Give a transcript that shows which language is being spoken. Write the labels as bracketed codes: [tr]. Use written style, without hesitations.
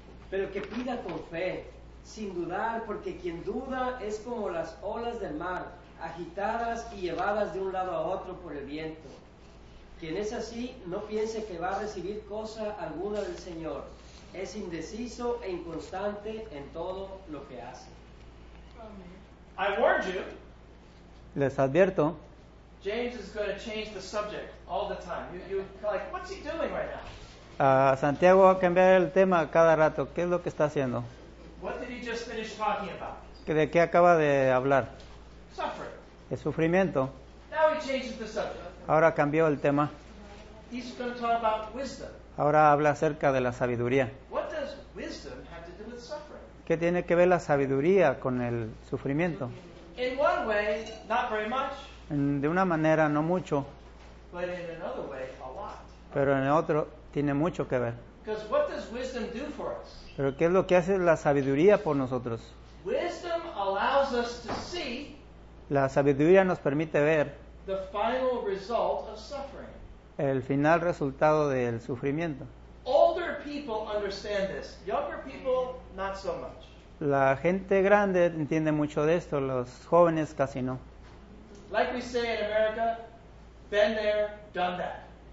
[es] Pero que pida con fe, sin dudar, porque quien duda es como las olas del mar, agitadas y llevadas de un lado a otro por el viento. Quien es así, no piense que va a recibir cosa alguna del Señor. Es indeciso e inconstante en todo lo que hace. [en] I warned you. [es] Les advierto. [en] James is going to change the subject all the time. You're like, what's he doing right now? [es] Santiago va a cambiar el tema cada rato. ¿Qué es lo que está haciendo? [en] What did he just finish talking about? [es] ¿De qué acaba de hablar? [en] Suffering. [es] El sufrimiento. [en] Now he changes the subject. [es] Ahora cambió el tema. [en] He's going to talk about wisdom. [es] Ahora habla acerca de la sabiduría. [en] What does wisdom have to do with suffering? [es] ¿Qué tiene que ver la sabiduría con el sufrimiento? [en] In one way, not very much. [es] De una manera no mucho. [en] But in another way, a lot. [es] Pero en otro tiene mucho que ver. [en] Because what does wisdom do for us? [es] Pero ¿qué es lo que hace la sabiduría por nosotros? [en] Wisdom allows us to see. [es] La sabiduría nos permite ver. [en] The final result of suffering. [es] El final resultado del sufrimiento. [en] Older people understand this. Younger people, not so much. [es] La gente grande entiende mucho de esto, los jóvenes casi no. [en] Like we say in America, been there, done that.